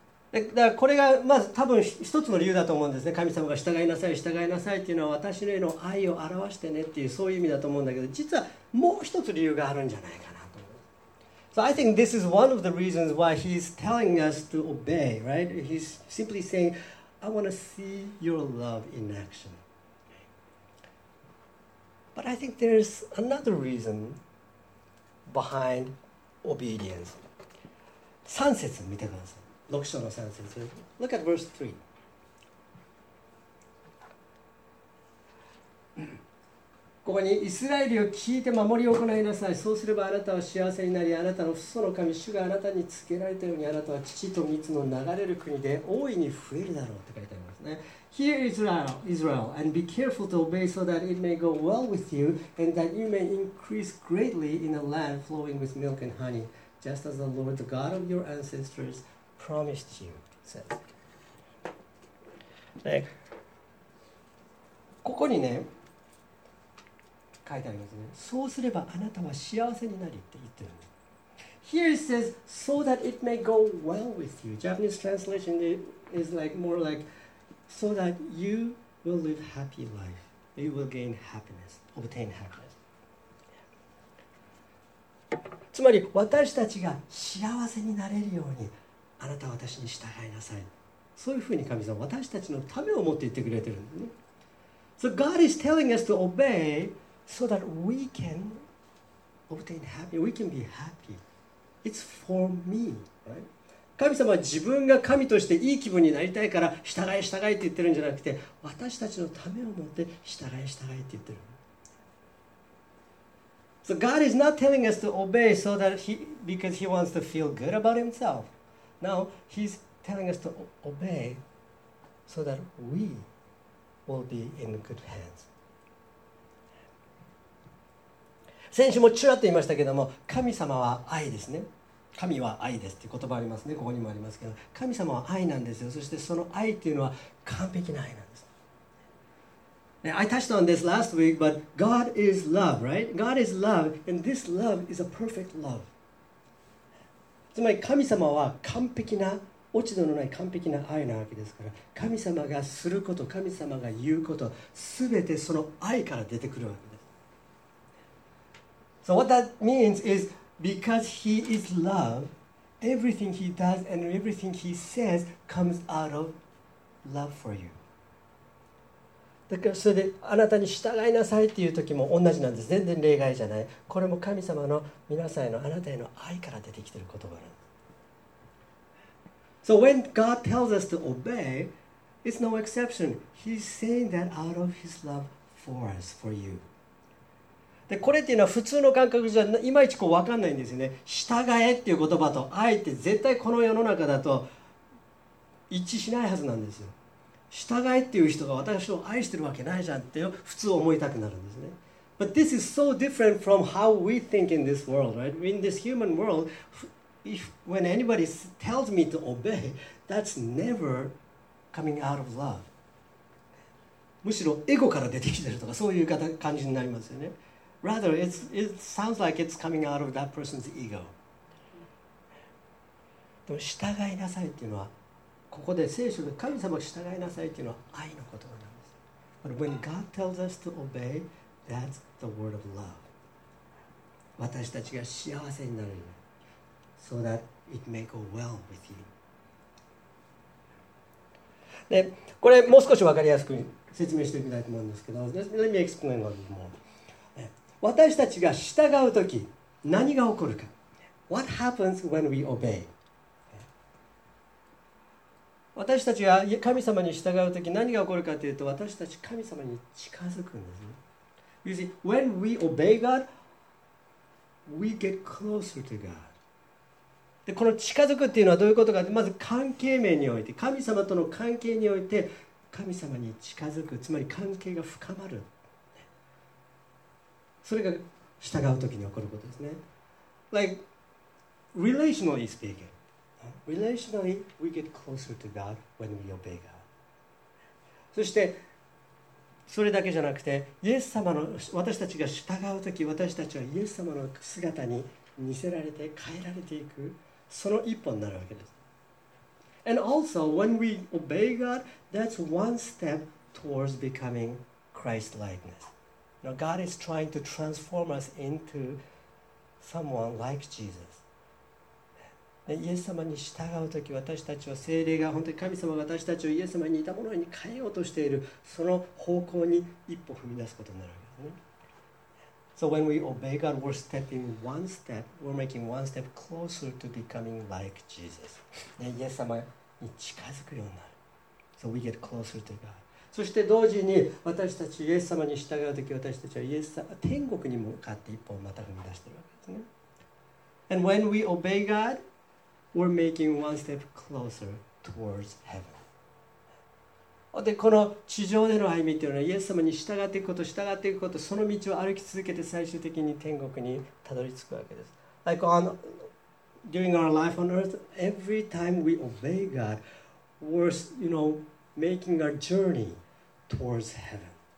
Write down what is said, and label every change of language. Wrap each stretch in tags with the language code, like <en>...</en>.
<ja>だからこれがまず多分一つの理由だと思うんですね。神様が従いなさい従いなさいっていうのは私のへの愛を表してねっていうそういう意味だと思うんだけど、実はもう一つ理由があるんじゃないかなと思う。</ja> <en>So I think this is one of the reasons why he's telling us to obey, right? He's simply saying, I want to see your love in action. But I think there's another reasonBehind obedience.</en> <ja>3節見てください。6章の3節。</ja> <en>Look at verse 3.</en> <ja>ここにイスラエルを聞いて守りを行いなさい。そうすればあなたは幸せになり、あなたの父祖の神主があなたに告げられたようにあなたは乳と蜜の流れる国で大いに増えるだろうって書いてありますね。</ja> <en>Hear Israel, Israel, and be careful to obey so that it may go well with you and that you may increase greatly in a land flowing with milk and honey, just as the Lord, the God of your ancestors, promised you. Says.</en> <ja>ね、ここにね。書いてありますね。そうすればあなたは幸せになりって言ってるの。</ja> <en>Here it says, so that it may go well with you. Japanese translation is like more like, so that you will live happy life. You will gain happiness, obtain happiness.</en> <ja>つまり私たちが幸せになれるようにあなたは私に従いなさい。そういうふうに神様私たちのためを持って言ってくれてるのね。</ja> <en>So God is telling us to obey. So that we can obtain happy, we can be happy. It's for me, right?</en> <ja>神様は自分が神としていい気分になりたいから従え従えって言ってるんじゃなくて、私たちのためを持って従え従えって言ってる。</ja> <en>So God is not telling us to obey so that he because he wants to feel good about himself. Now he's telling us to obey so that we will be in good hands.</en> <ja>先週もちらっと言いましたけども、神様は愛ですね。神は愛ですっていう言葉ありますね。ここにもありますけど、神様は愛なんですよ。そしてその愛っていうのは完璧な愛なんです。</ja> <en>Now, I touched on this last week, but God is love, right? God is love, and this love is a perfect love.</en> <ja>つまり神様は完璧な、落ち度のない完璧な愛なわけですから、神様がすること、神様が言うこと、すべてその愛から出てくるわけ。</ja> <en>So what that means is because he is love, everything he does and everything he says comes out of love for you.</en> <ja>だからそれであなたに従いなさいっていう時も同じなんです。全然例外じゃない。これも神様の皆さんへのあなたへの愛から出てきている言葉なんです。</ja> <en>So when God tells us to obey, it's no exception. He's saying that out of his love for us, for you.</en> <ja>でこれっていうのは普通の感覚じゃいまいちこう分かんないんですよね。従えっていう言葉と愛って絶対この世の中だと一致しないはずなんですよ。従えっていう人が私を愛してるわけないじゃんって普通思いたくなるんですね。</ja> <en>But this is so different from how we think in this world, right? In this human world, if when anybody tells me to obey, that's never coming out of love.</en> <ja>むしろエゴから出てきてるとかそういう感じになりますよね。</ja> <en>Rather, it sounds like it's coming out of that person's ego.</en> <ja>でも従いなさいっていうのはここで聖書で神様従いなさいっていうのは愛の言葉なんです。</ja> <en>But when God tells us to obey, that's the word of love.</en> <ja>私たちが幸せになるように、</ja> <en>so that it may go well with you.</en> <ja>で、これもう少しわかりやすく説明していきたいと思うんですけど、</ja> <en>Let me explain a little more.</en> <ja>私たちが従うとき何が起こるか。</ja> <en>What happens when we obey?</en> <ja>私たちが神様に従うとき何が起こるかというと、私たち神様に近づくんですね。</ja> <en>You see, when we obey God, we get closer to God.</en> <ja>で、この近づくっていうのはどういうことかって、まず関係面において、神様との関係において、神様に近づく、つまり関係が深まる。それが従うときに起こることですね。</ja> <en>Like, relationally speaking. Relationally, we get closer to God when we obey God.</en> <ja>そして、それだけじゃなくて、イエス様の私たちが従うとき、私たちはイエス様の姿に似せられて変えられていく、その一歩になるわけです。</ja> <en>And also, when we obey God, that's one step towards becoming Christ-likeness. Now, God is trying to transform us into someone like Jesus.</en> <ja>でイエス様に従うとき私たちは聖霊が本当に神様が私たちをイエス様に似たものに変えようとしているその方向に一歩踏み出すことになるわけですね。</ja> <en>So when we obey God, we're stepping one step, we're making one step closer to becoming like Jesus.</en> <ja>イエス様に近づくようになる。</ja> <en>So we get closer to God.</en> <ja>そして同時に私たちイエス様に従うとき、私たちはイエス様、天国に向かって一歩また踏み出しているわけですね。</ja> <en>And when we obey God, we're making one step closer towards heaven.</en> <ja>でこの地上での歩みというのはイエス様に従っていくこと従っていくことその道を歩き続けて最終的に天国にたどり着くわけです。</ja> <en>Like on, during our life on earth, every time we obey God, we're, you know, making our journey towards heaven.</en>